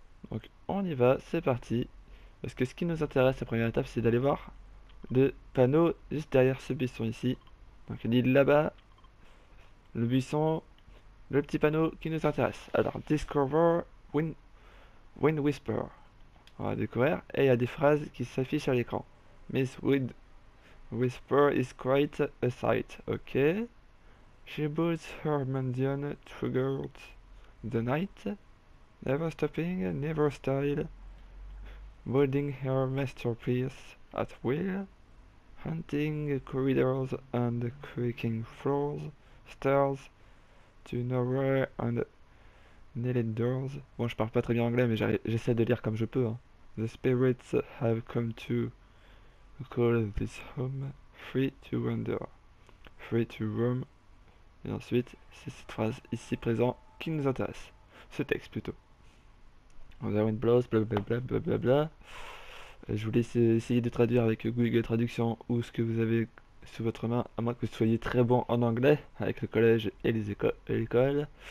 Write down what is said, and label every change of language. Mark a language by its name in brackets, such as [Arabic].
[French] Donc on y va, c'est parti. Parce que ce qui nous intéresse, la première étape, c'est d'aller voir le panneau juste derrière ce buisson ici. Donc l'île là-bas, le buisson, le petit panneau qui nous intéresse. Alors, Discover Wind Whisper. On va découvrir. Et il y a des phrases qui s'affichent à l'écran. [English] Miss Wind Whisper is quite a sight. Ok. She builds her mansion throughout the night, never stopping, never style, building her masterpiece at will, hunting corridors and creaking floors, stairs to nowhere and nether doors. [French] Bon, je parle pas très bien anglais, mais j'essaie de lire comme je peux. Hein. [English] The spirits have come to call this home, free to wander, free to roam. [French] Et ensuite, c'est cette phrase ici présente qui nous intéresse. Ce texte plutôt. On a une blouse, blablabla. Je vous laisse essayer de traduire avec Google Traduction ou ce que vous avez sous votre main, à moins que vous soyez très bon en anglais avec le collège et les écoles.